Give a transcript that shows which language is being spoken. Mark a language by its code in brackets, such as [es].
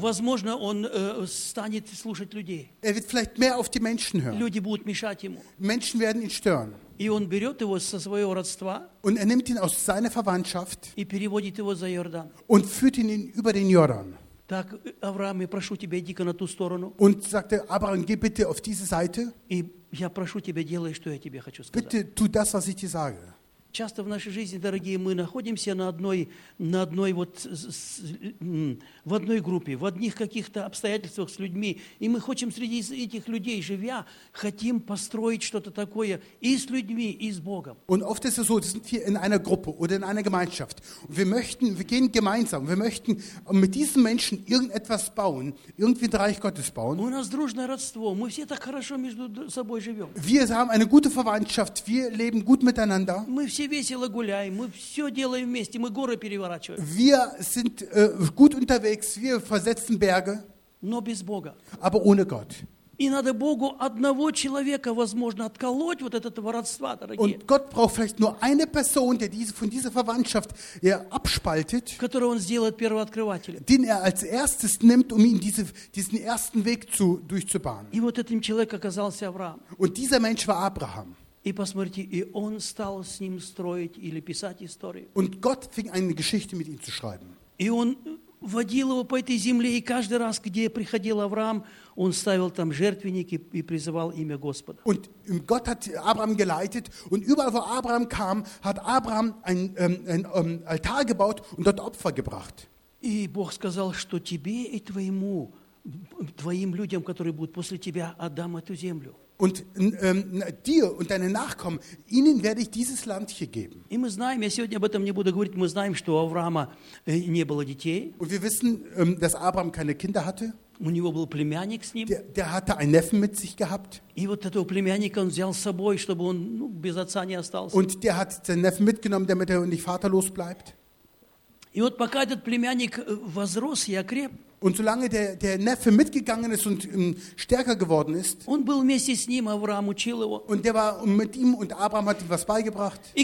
[ru] Возможно, он станет слушать людей. [de] Er wird vielleicht mehr auf die Menschen hören. [ru] Люди будут мешать ему. [de] Menschen werden ihn stören. [ru] И он берет его со своего родства. [de] Und er nimmt ihn aus seiner Verwandtschaft. [ru] И переводит его за Йордан. [de] Und führt ihn über den Jordan. [ru] Так, Авраам, я прошу тебя, иди-ка на ту сторону. [de] Und sagte, Abraham, geh bitte auf diese Seite. [ru] И я прошу тебя, делай, что я тебе хочу сказать. [de] Bitte, tu das, was ich dir sage. [ru] Часто в нашей жизни, дорогие, мы находимся в одной группе, в одних каких-то обстоятельствах с людьми, и мы хотим среди этих людей, живя, хотим построить что-то такое и с людьми, и с Богом. [de] Und oft ist es so, wir sind hier in einer Gruppe oder in einer Gemeinschaft. Wir gehen gemeinsam, wir möchten mit diesen Menschen irgendetwas bauen, irgendwie das Reich Gottes bauen. [ru] У нас дружное родство, мы все так хорошо между собой живем. [de] Wir haben eine gute Verwandtschaft, wir leben gut miteinander. [ru] Все весело гуляем, мы все делаем вместе, мы горы переворачиваем. [de] Wir sind gut unterwegs, wir versetzen Berge. [ru] Но без Бога. [de] Aber ohne Gott. [ru] И надо Богу одного человека, возможно, отколоть вот этого родства, дорогие. [de] Und Gott braucht vielleicht nur eine Person, der diese von dieser Verwandtschaft abspaltet. [ru] Которого он сделает первооткрывателем. [de] Den er als erstes nimmt, um ihn diesen ersten Weg durchzubahnen. [ru] И вот этим человек оказался Авраам. [de] Und dieser Mensch war Abraham. [ru] И посмотрите, и он стал с ним строить или писать историю. [de] Und Gott fing eine Geschichte mit ihm zu schreiben. [ru] И он водил его по этой земле, и каждый раз, где приходил Авраам, он ставил там жертвенник и призывал имя Господа. [de] Und Gott hat Abraham geleitet und überall, wo Abraham kam, hat Abraham ein Altar gebaut und dort Opfer gebracht. [ru] И Бог сказал, что тебе и твоим людям, которые будут после тебя, отдам эту землю. [de] Und dir und deinen Nachkommen, ihnen werde ich dieses Land hier geben. [ru] И мы знаем, я сегодня об этом не буду говорить, мы знаем, что у Авраама не было детей. [de] Und wir wissen, dass Abraham keine Kinder hatte. [ru] У него был племянник с ним. [de] Der hatte einen Neffen mit sich gehabt. [ru] И вот этого племянника он взял с собой, чтобы он без отца не остался. [de] Und der hat seinen Neffen mitgenommen, damit er nicht vaterlos bleibt. [ru] И вот пока этот племянник возрос и окреп, [de] und solange der Neffe mitgegangen ist und stärker geworden ist, und der war mit ihm und Abraham hat ihm was beigebracht.